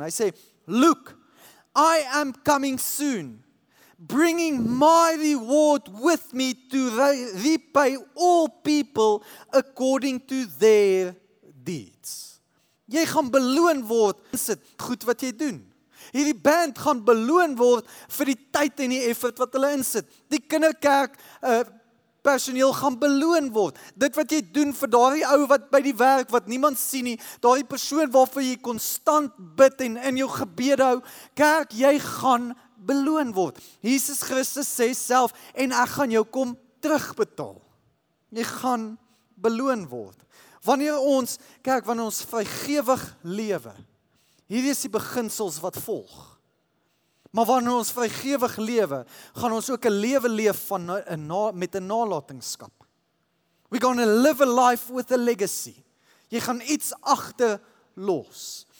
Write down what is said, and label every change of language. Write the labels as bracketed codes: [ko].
[af] Hy sê, [en] look, I am coming soon, bringing my reward with me to repay all people according to their deeds. [af] Jy gaan beloon word, is dit goed wat jy doen. Hierdie band gaan beloon word vir die tyd en die effort wat hulle insit. Die kinderkerk personeel gaan beloon word. Dit wat jy doen vir daardie ou wat by die werk, wat niemand sien nie, daardie persoon waarvoor jy konstant bid en in jou gebede hou, kerk, jy gaan beloon word. Jesus Christus sê self, en ek gaan jou kom terugbetaal. Jy gaan beloon word. Wanneer ons, kyk, wanneer ons vrygewig lewe, hier is die beginsels wat volg. Maar wanneer ons vrygewig lewe, gaan ons ook 'n lewe leef van met 'n nalatenskap. [en] We're going to live a life with a legacy. [af] Jy gaan iets agter los.